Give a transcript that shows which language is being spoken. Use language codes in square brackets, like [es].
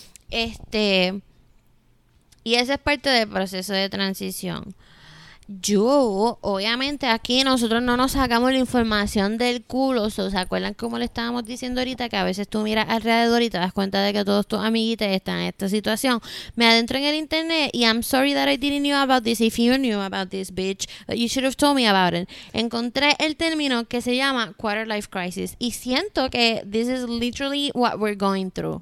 [es] Y eso es parte del proceso de transición. Yo, obviamente, aquí nosotros no nos sacamos la información del culo. O sea, ¿se acuerdan cómo le estábamos diciendo ahorita? Que a veces tú miras alrededor y te das cuenta de que todos tus amiguitos están en esta situación. Me adentro en el internet y [en] I'm sorry that I didn't know about this. If you knew about this, bitch, you should have told me about it. [es] Encontré el término que se llama quarter life crisis. Y siento que [en] this is literally what we're going through.